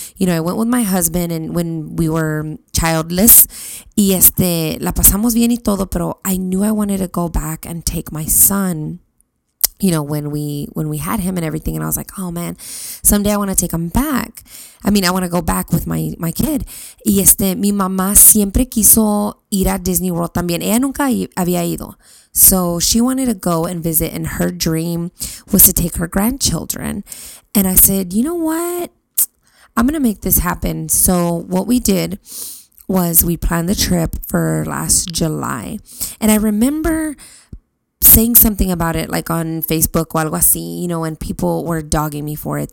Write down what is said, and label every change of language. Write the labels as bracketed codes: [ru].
[en] You know, I went with my husband and when we were childless, [es] y la pasamos bien y todo, pero [en] I knew I wanted to go back and take my son, you know, when we had him and everything. And I was like, oh man, someday I want to take him back. I mean, I want to go back with my kid. [es] Y mi mamá siempre quiso ir a Disney World también. Ella nunca había ido. [en] So she wanted to go and visit, and her dream was to take her grandchildren. And I said, you know what? I'm going to make this happen. So what we did was we planned the trip for last July. And I remember saying something about it, like on Facebook or [es] algo así, [en] you know, and people were dogging me for it.